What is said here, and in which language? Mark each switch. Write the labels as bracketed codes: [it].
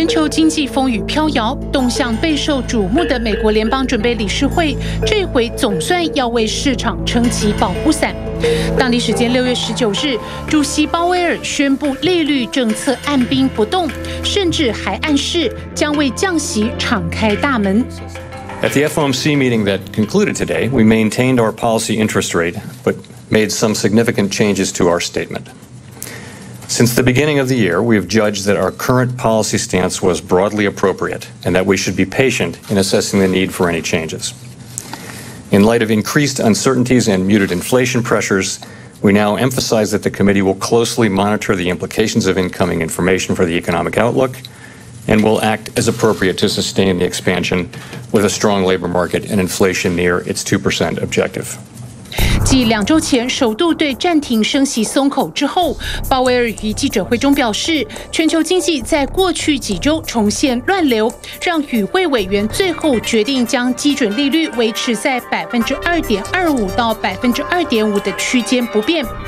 [zh] 经济风雨飘摇，动向备受瞩目的美国联邦准备理事会，这回总算要为市场撑起保护伞。当地时间6月19日，主席鲍威尔宣布利率政策按兵不动，甚至还暗示将为降息敞开大门。 [en] At the FOMC meeting that concluded today, we maintained our policy interest rate, but made some significant changes to our statement. Since the beginning of the year, we have judged that our current policy stance was broadly appropriate and that we should be patient in assessing the need for any changes. In light of increased uncertainties and muted inflation pressures, We now emphasize that the committee will closely monitor the implications of incoming information for the economic outlook and will act as appropriate to sustain the expansion with a strong labor market and inflation near its 2% objective. [zh] 继两周前首度对暂停升息松口之后，鲍威尔于记者会中表示，全球经济在过去几周重现乱流，让与会委员最后决定将基准利率维持在 2.25% 到 2.5% 的区间不变。